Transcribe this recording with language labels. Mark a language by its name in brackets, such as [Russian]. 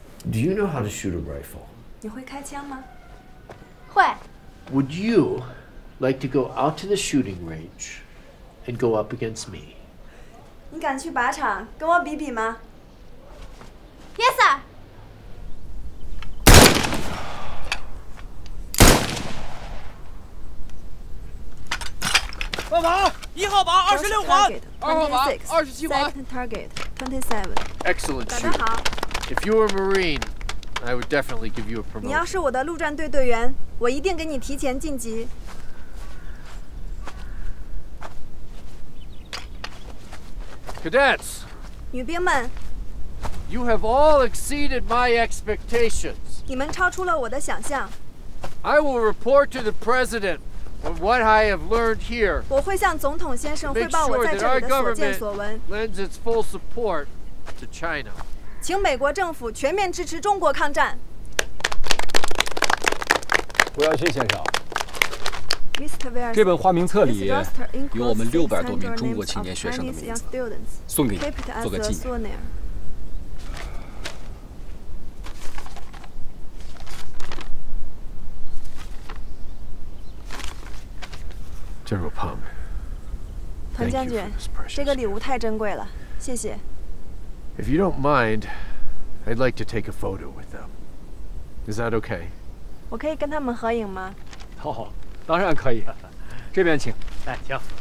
[English] Do you know how to shoot a rifle? [Chinese] 你会开枪吗？会。 [English] Would you like to go out to the shooting range and go up against me? [Chinese] 你敢去靶场跟我比比吗 [English] ？Yes, sir. [Chinese] 二房，一号房，二十六环。二号房，二十七环。 [English] Second target, 27. Excellent. [Chinese] 早上好。 [English] If you were a Marine. I would definitely give you a promotion. [Chinese] 你要是我的陆战队队员，我一定给你提前晋级。 [English] Cadets, [Chinese] 女兵们 [English] ，You have all exceeded my expectations. [Chinese] 你们超出了我的想象。 [English] I will report to the president on what I have learned here. [Chinese] 我会向总统先生汇报我在这里的所见所闻。 [English] Lends its full support to China. [Chinese] 请美国政府全面支持中国抗战。威尔逊先生，这本花名册里有我们600多名中国青年学生的名字，送给你做个纪念。 [English] General Palm， [Chinese] 彭将军，这个礼物太珍贵了，谢谢。 [English] If you don't mind, I'd like to take a photo with them. Is that okay? [Chinese] 我可以跟他们合影吗？哦，当然可以。这边请。哎，行。